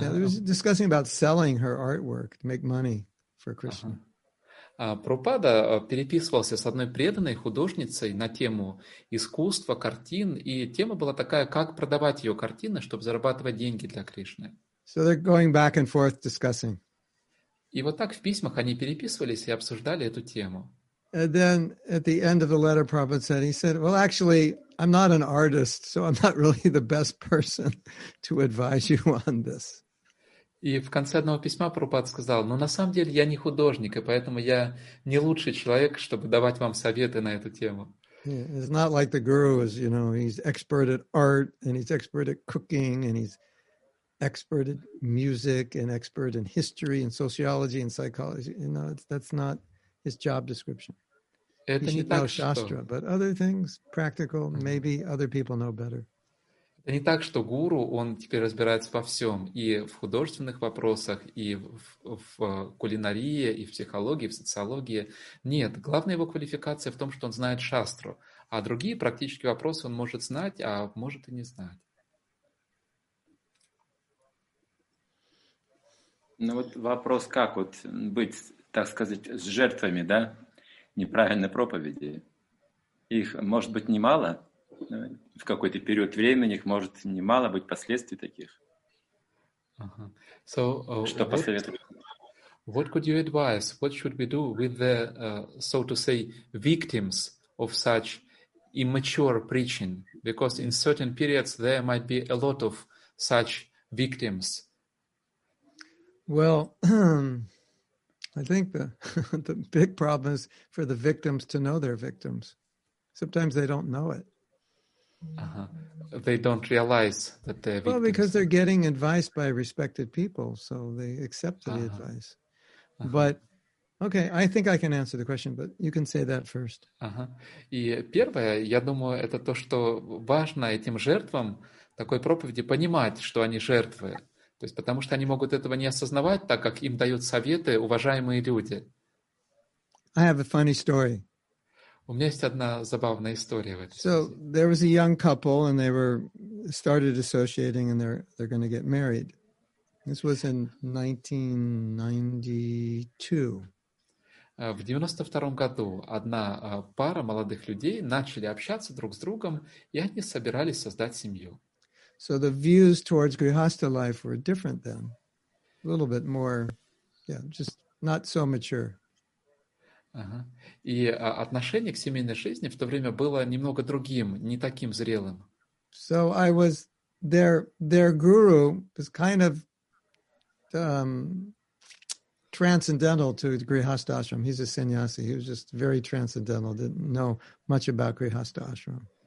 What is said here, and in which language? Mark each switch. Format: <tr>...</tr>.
<en>Yeah, they were discussing about selling her artwork to make money for Krishna.</en> <ru>Прабхупада переписывался с одной преданной художницей на тему искусства, картин, и тема была такая, как продавать ее картины, чтобы зарабатывать деньги для Кришны.</ru> <en>So they're going back and forth discussing.</en> <ru>И вот так в письмах они переписывались и обсуждали эту тему.</ru> <en>And then at the end of the letter, Prabhupada said, he said, well, actually, I'm not an artist, so I'm not really the best person to advise you on this.</en> <ru>И в конце одного письма Прабхупада сказал, ну, на самом деле, я не художник, и поэтому я не лучший человек, чтобы давать вам советы на эту тему.</ru> <en>Yeah, it's not like the guru is, you know, he's expert at art, and he's expert at cooking, and he's expert at music, and expert in history, and sociology, and psychology. You know, that's not his job description.</en> <ru>Это не так,</ru> <en>Shastra, But other things, practical, maybe other people know better.</en> <ru>Это не так, что гуру, он теперь разбирается во всем, и в художественных вопросах, и в кулинарии, и в психологии, и в социологии. Нет, главная его квалификация в том, что он знает шастру, а другие практические вопросы он может знать, а может и не знать. Ну вот вопрос, как вот быть, так сказать, с жертвами, да, неправильной проповеди. Их, может быть, немало? В какой-то период времени их может немало быть последствий таких. Что посоветовать?</ru> <en>What could you advise? What should we do with the, so to say, victims of such immature preaching? Because in certain periods there might be a lot of such victims. Well, I think the big problem is for the victims to know their victims. Sometimes they don't know it. They don't realize that they're victims. Well, because they're getting advice by respected people, so they accept the advice. But, okay, I think I can answer the question, but you can say that first.</en> <ru>И первое, я думаю, это то, что важно этим жертвам такой проповеди понимать, что они жертвы. То есть потому что они могут этого не осознавать, так как им дают советы уважаемые люди.</ru> <en>I have a funny story.</en> <ru>У меня есть одна забавная история в этой</ru> <en>So</en> <ru>связи.</ru> <en>There was a young couple, and they were started associating, and they're going to get married. This was in 1992.</en> <ru>В 92 году одна пара молодых людей начали общаться друг с другом, и они собирались создать семью.</ru> <en>So the views towards Grihastha life were different then, a little bit more, just not so mature.</en> <ru>И отношение к семейной жизни в то время было немного другим, не таким зрелым.</ru> <en>So I was their guru was kind of transcendental to Grihastha Ashram. He's a sannyasi. He was just very transcendental, didn't know much about Grihastha Ashram.</en>